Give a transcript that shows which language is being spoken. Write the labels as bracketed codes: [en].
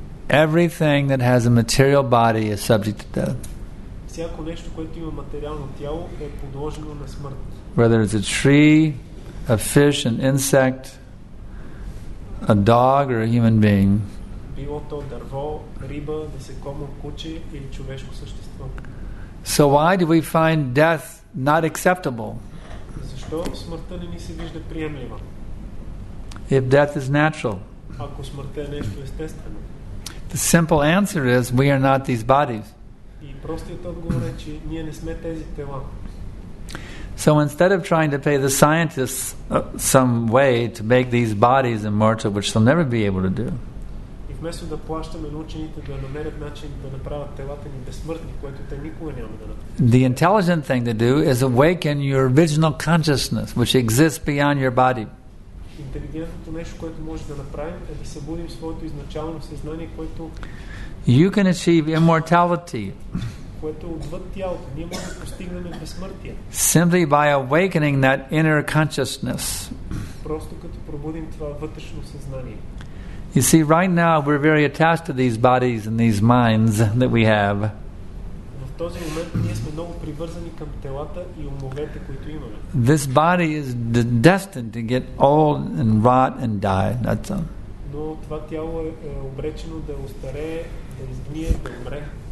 [en] Everything that has a material body is subject to death. Whether it's a tree, a fish, an insect, a dog or a human being. [bg] Било то дърво, риба, насекомо, куче или човешко същество. [en] So why do we find death not acceptable? [bg] Защо смъртта не ни се вижда приемлива? [en] If death is natural. [bg] Ако смъртта е нещо естествено. [en] The simple answer is we are not these bodies. [bg] И простият отговор е, че ние не сме тези тела. [en] So instead of trying to pay the scientists some way to make these bodies immortal, which they'll never be able to do, [bg] вместо да плащаме на учените да намерят начин да направят телата ни безсмъртни, което те никога няма да направят. [en] The intelligent thing to do is awaken your original consciousness, which exists beyond your body. [bg] Интелигентното нещо, което може да направим, е да събудим своето изначално съзнание, което [en] you can achieve immortality. [bg] Което отвъд тялото, ние можем да постигнем безсмъртие. [en] Simply by awakening that inner consciousness. [bg] Просто като пробудим това вътрешно съзнание. [en] You see, right now we're very attached to these bodies and these minds that we have. [bg] В този момент ние сме много привързани към телата и умовете, които имаме. [en] This body is destined to get old and rot and die. That's all. [bg] Но това тяло е обречено да остарее, да изгние, да умре.